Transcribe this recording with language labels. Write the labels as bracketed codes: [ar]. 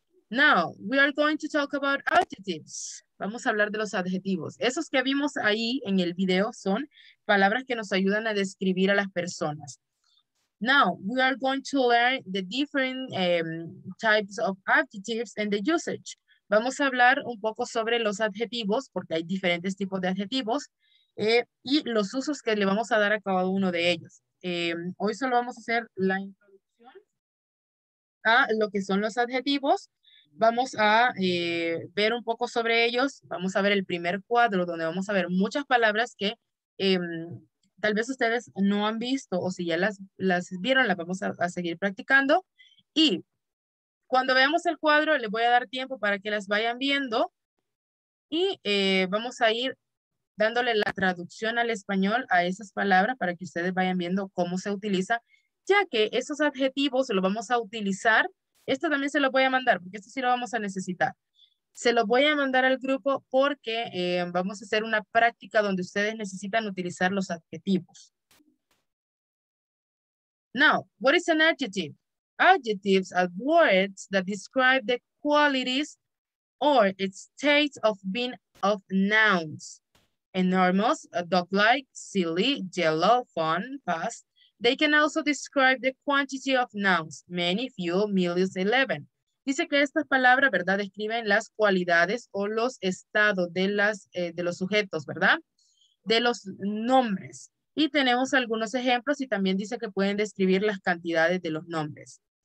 [en] Now, we are going to talk about adjectives. [es] Vamos a hablar de los adjetivos. Esos que vimos ahí en el video son palabras que nos ayudan a describir a las personas. [en] Now, we are going to learn the different types of adjectives and the usage. [es] Vamos a hablar un poco sobre los adjetivos, porque hay diferentes tipos de adjetivos, y los usos que le vamos a dar a cada uno de ellos. Hoy solo vamos a hacer la introducción a lo que son los adjetivos. Vamos a ver un poco sobre ellos. Vamos a ver el primer cuadro, donde vamos a ver muchas palabras que... tal vez ustedes no han visto, o si ya las vieron, las vamos a seguir practicando. Y cuando veamos el cuadro, les voy a dar tiempo para que las vayan viendo. Y vamos a ir dándole la traducción al español a esas palabras para que ustedes vayan viendo cómo se utiliza, ya que esos adjetivos los vamos a utilizar. Esto también se lo voy a mandar, porque esto sí lo vamos a necesitar. Se los voy a mandar al grupo porque vamos a hacer una práctica donde ustedes necesitan utilizar los adjetivos. [en] Now, what is an adjective? Adjectives are words that describe the qualities or its state of being of nouns. Enormous, dog-like, silly, yellow, fun, fast. They can also describe the quantity of nouns, many, few, millions, 11. [es] Dice que estas palabras, ¿verdad?, describen las cualidades o los estados de las de los sujetos, ¿verdad?, de los nombres. Y tenemos algunos ejemplos y también dice que pueden describir las cantidades de los nombres.